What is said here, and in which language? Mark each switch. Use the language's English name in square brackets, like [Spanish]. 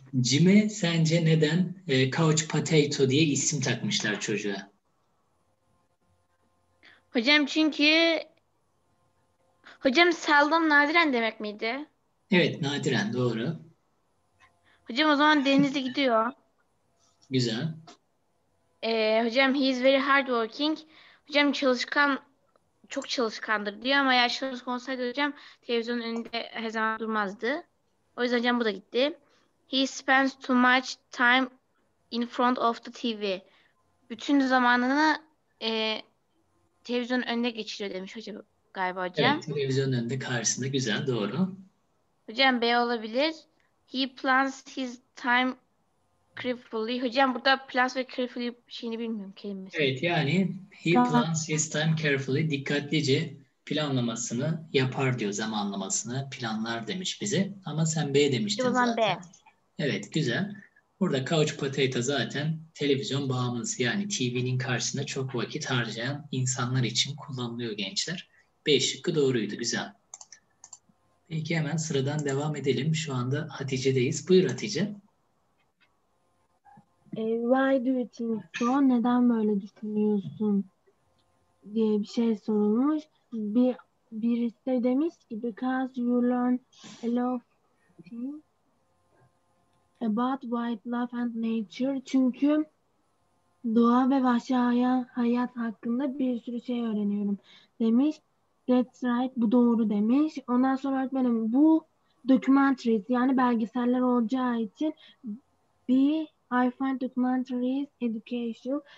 [Turkish] Jim'e sence neden couch potato diye isim takmışlar çocuğa? Hocam çünkü... Hocam sağlam nadiren demek miydi? Evet, nadiren, doğru. Hocam o zaman denize gidiyor. Güzel. [English] Hocam he is very hardworking. [Turkish] Hocam çalışkan, çok çalışkandır diyor ama eğer çalışkan olsaydı hocam televizyonun önünde her zaman durmazdı. O yüzden hocam bu da gitti. [English] He spends too much time in front of the TV. [Turkish] Bütün zamanını televizyonun önünde geçiriyor demiş hocam galiba hocam. Evet, televizyonun önünde karşısında, güzel, doğru. Hocam B olabilir. [English] He plans his time carefully. [Turkish] Hocam burada plans ve carefully şeyini bilmiyorum kelimesi. [English] Evet yani he plans his time carefully. [Turkish] Dikkatlice planlamasını yapar diyor, zamanlamasını planlar demiş bize. Ama sen B demiştin zaten. B. Evet güzel. Burada couch potato zaten televizyon bağımlısı, yani TV'nin karşısında çok vakit harcayan insanlar için kullanılıyor gençler. B şıkkı doğruydu, güzel. Peki hemen sıradan devam edelim. Şu anda Hatice'deyiz. Buyur Hatice. [English] Why do you think so? [Turkish] Neden böyle düşünüyorsun diye bir şey sorulmuş. [English] Birisi de demiş ki because you learn a lot of things about wildlife and nature. [Turkish] Çünkü doğa ve vahşi hayat hakkında bir sürü şey öğreniyorum demiş. That's right, bu doğru demiş. Ondan sonra öğretmenim bu documentaries, yani belgeseller olacağı için I find documentaries educational.